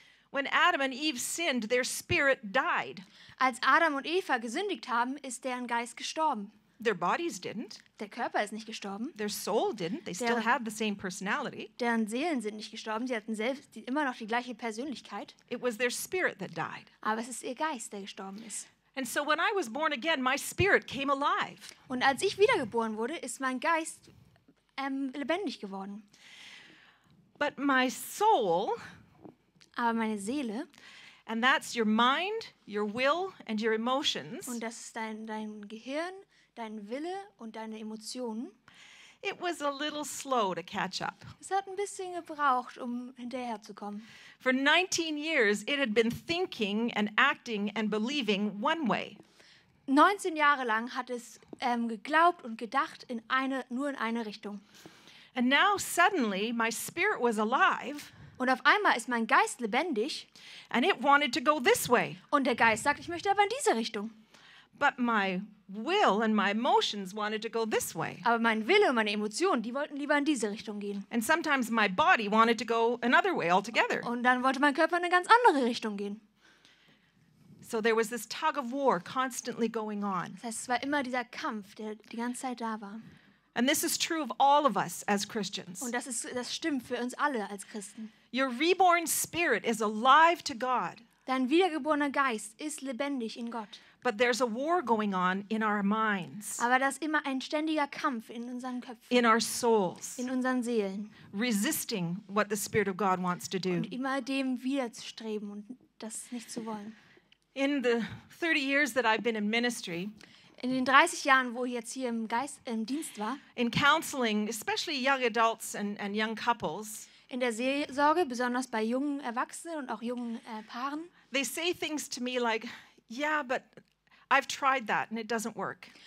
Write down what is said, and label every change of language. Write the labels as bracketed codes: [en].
[en] When Adam and Eve sinned, their spirit died. [de] Als Adam und Eva gesündigt haben, ist deren Geist gestorben. [en] Their bodies didn't. [de] Der Körper ist nicht gestorben. [en] Their soul didn't. They still had the same personality. [de] Deren Seelen sind nicht gestorben. Sie hatten selbst immer noch die gleiche Persönlichkeit. [en] It was their spirit that died. [de] Aber es ist ihr Geist, der gestorben ist. [en] And so when I was born again, my spirit came alive. [de] Und als ich wiedergeboren wurde, ist mein Geist lebendig geworden. [en] But my soul, [de] aber meine Seele, [en] and that's your mind, your will, and your emotions. [de] Und das ist dein Gehirn, dein Wille und deine Emotionen. [en] It was a little slow to catch up. [de] Es hat ein bisschen gebraucht, um hinterherzukommen. [en] For 19 years, it had been thinking and acting and believing one way. [de] 19 Jahre lang hat es geglaubt und gedacht nur in eine Richtung. [en] And now suddenly my spirit was alive. [de] Und auf einmal ist mein Geist lebendig. [en] And it wanted to go this way. [de] Und der Geist sagt, ich möchte aber in diese Richtung. [en] But my will and my emotions wanted to go this way. [de] Aber mein Wille und meine Emotionen, die wollten lieber in diese Richtung gehen. [en] And sometimes my body wanted to go another way altogether. [de] Und dann wollte mein Körper in eine ganz andere Richtung gehen. [en] So there was this tug of war constantly going on. [de] Das heißt, es war immer dieser Kampf, der die ganze Zeit da war. [en] And this is true of all of us as Christians. [de] Und das stimmt für uns alle als Christen. [en] Your reborn spirit is alive to God. [de] Dein wiedergeborener Geist ist lebendig in Gott. [en] But there's a war going on in our minds. [de] Aber da ist immer ein ständiger Kampf in unseren Köpfen. [en] In our souls. [de] In unseren Seelen. [en] Resisting what the Spirit of God wants to do. [de] Und immer dem widerzustreben und das nicht zu wollen. [en] In the 30 years that I've been in ministry. [de] In den 30 Jahren, wo ich jetzt hier im Dienst war. [en] In counseling, especially young adults and young couples. [de] In der Seelsorge, besonders bei jungen Erwachsenen und auch jungen Paaren. [en] They say things to me like, yeah, but I've tried that and it doesn't work.